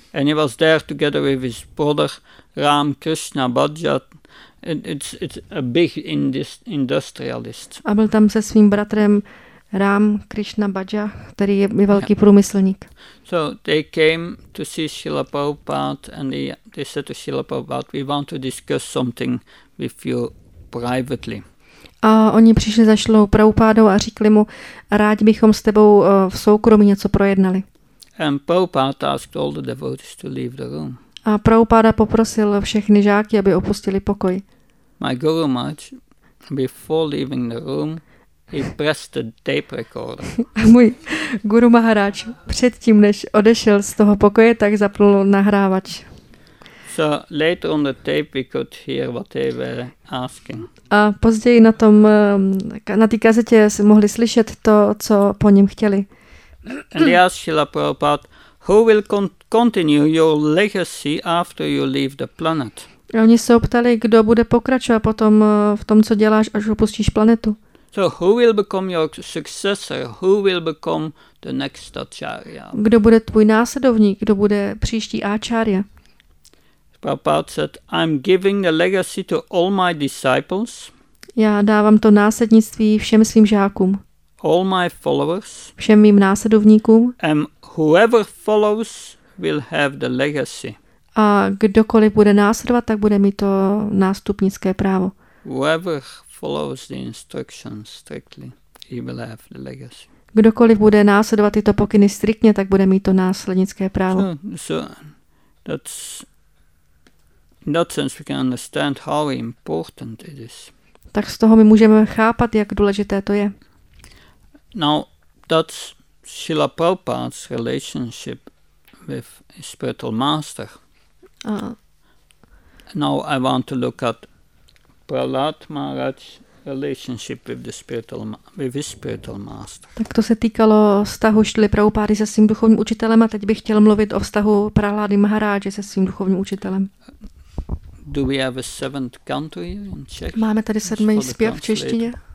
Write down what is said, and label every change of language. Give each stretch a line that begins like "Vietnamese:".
English: And he was there together with his brother Ram Krishna Bajaj. It's a big industrialist.
Czech: A byl tam se svým bratrem Ram Krishna Bhaja, který je velký průmyslník.
English: So they came to see Srila Prabhupada and they said to Srila Prabhupada, we want to discuss something with you privately.
Czech: A oni přišli za Srilou Prabhupádou a řekli mu, rádi bychom s tebou v soukromí něco projednali.
English: And Prabhupada asked all the devotees to leave the room.
Czech: A Prabhupada poprosil všechny žáky, aby opustili pokoj.
English: My guru Maharaj, before leaving the room, he pressed the tape recorder.
Czech: Můj guru Maharaj předtím, než odešel z toho pokoje, tak zapnul nahrávač.
English: So later on the tape we could hear what they were asking.
Czech: A později na tom na té kazetě se mohli slyšet to, co po něm chtěli.
English: And he asked Srila Prabhupada, who will continue your legacy after you leave the planet?
Czech: A oni se optali, kdo bude pokračovat potom v tom, co děláš, až opustíš planetu.
English: So who will become your successor? Who will become the next acharya?
Czech: Kdo bude tvůj následovník? Kdo bude příští acharya?
English: Prabhupada said, I'm giving the legacy to all my disciples.
Czech: Já dávám to následnictví všem svým žákům.
English: All my followers.
Czech: Všem mým následovníkům.
English: And whoever follows will have the legacy.
Czech: A kdokoliv bude následovat, tak bude mít to nástupnické právo.
English: Whoever follows the instructions strictly, he will have the legacy.
Czech: Kdokoliv bude následovat tyto pokyny striktně, tak bude mít to následnické právo.
English: So that's, in that sense we can understand how important it is.
Czech: Tak z toho my můžeme chápat, jak důležité to je.
English: Now, that's Srila Prabhupada's relationship with spiritual master. Now I want to look at Prahlad Maharaj's relationship with the spiritual master.
Czech: Tak to se týkalo vztahu Šrily Prabhupády se svým duchovním učitelem a teď bych chtěl mluvit o vztahu Prahlády Maharaje se svým duchovním učitelem.
English: Do we have a seventh country in Czech?
Czech: Máme tady sedmý zpěv v češtině.